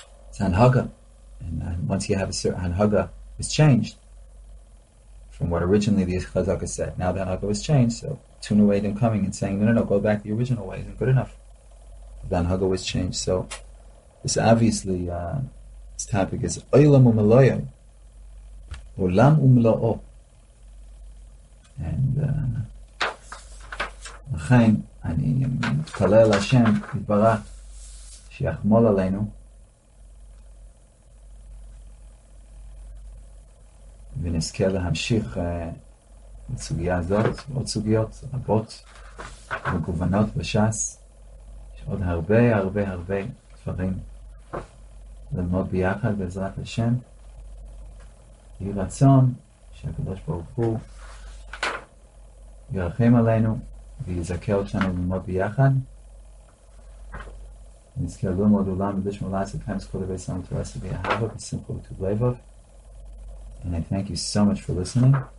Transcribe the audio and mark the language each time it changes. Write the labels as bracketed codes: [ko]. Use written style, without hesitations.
[en] It's hanhaga, and once you have a certain hanhaga, it's changed from what originally the chazak said. Now the hanhaga was changed, so two new ways coming and saying no, go back the original way isn't good enough. The hanhaga was changed, so this obviously this topic is [he] olam umeloyim, olam umlo'o. And לכן אני מתפלל לשם יתברך שיחמול עלינו ונזכה להמשיך הסוגיה הזאת, ועוד סוגיות רבות מגוונות בש"ס, יש עוד הרבה הרבה הרבה דברים ללמוד ביחד בעזרת השם. יהי רצון שהקדוש ברוך הוא ירחם עלינו ויזכה אותנו ללמוד ביחד. נזכה ללמוד עולם בדש מולה עסקיים זכו לבי סלם ותורה סבי אהבה בסמכו וטוב לבב. [en] And I thank you so much for listening.